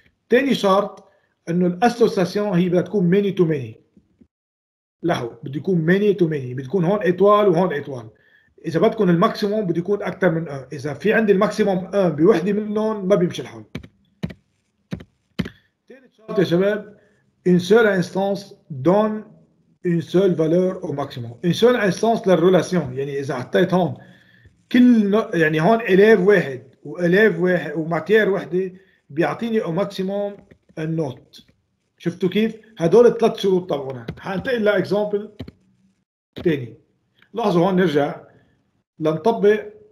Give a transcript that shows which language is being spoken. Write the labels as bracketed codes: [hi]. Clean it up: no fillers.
[ar] ثاني شرط انه الاسوسياسيون هي بدها تكون ميني تو ميني، لهو بده يكون ميني تو ميني، بده يكون هون ايطوال وهون ايطوال. اذا بدكم الماكسيموم بده يكون اكثر من اه، اذا في عندي الماكسيموم اه بوحده منهم ما بيمشي الحال. ثالث شرط يا شباب [fr] une seule instance donne une seule valeur au maximum. une seule instance la relation [ar] يعني اذا حطيت هون كل يعني هون اليف واحد واليف واحد وماتير واحده بيعطيني او ماكسيموم النوت. شفتوا كيف هدول الثلاث شروط طبعنا. حنتقل لاكزامبل ثاني. لاحظوا هون نرجع لنطبق.